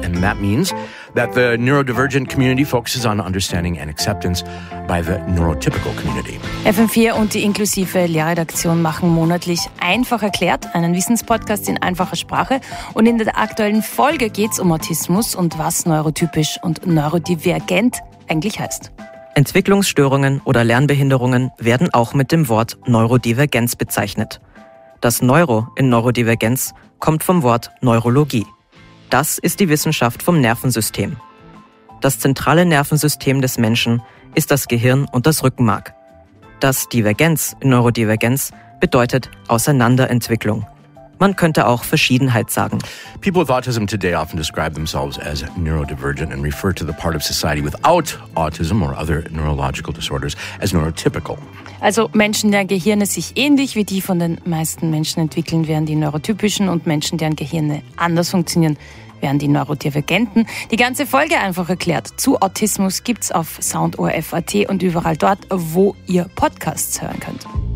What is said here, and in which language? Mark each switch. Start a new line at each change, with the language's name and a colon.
English: And that means that the neurodivergent community focuses on understanding and acceptance by the neurotypical community.
German: FM4 und die inklusive Lehrredaktion machen monatlich einfach erklärt einen Wissenspodcast in einfacher Sprache. Und in der aktuellen Folge geht's um Autismus und was neurotypisch und neurodivergent eigentlich heißt. Entwicklungsstörungen oder Lernbehinderungen werden auch mit dem Wort Neurodivergenz bezeichnet. Das Neuro in Neurodivergenz kommt vom Wort Neurologie. Das ist die Wissenschaft vom Nervensystem. Das zentrale Nervensystem des Menschen ist das Gehirn und das Rückenmark. Das Divergenz in Neurodivergenz bedeutet Auseinanderentwicklung. Man könnte auch Verschiedenheit sagen.
English: People with autism today often describe themselves as neurodivergent and refer to the part of society without autism or other neurological disorders as neurotypical.
German: Also Menschen, deren Gehirne sich ähnlich wie die von den meisten Menschen entwickeln, wären die neurotypischen, und Menschen, deren Gehirne anders funktionieren, wären die Neurodivergenten. Die ganze Folge einfach erklärt zu Autismus gibt's auf soundorf.at und überall dort, wo ihr Podcasts hören könnt.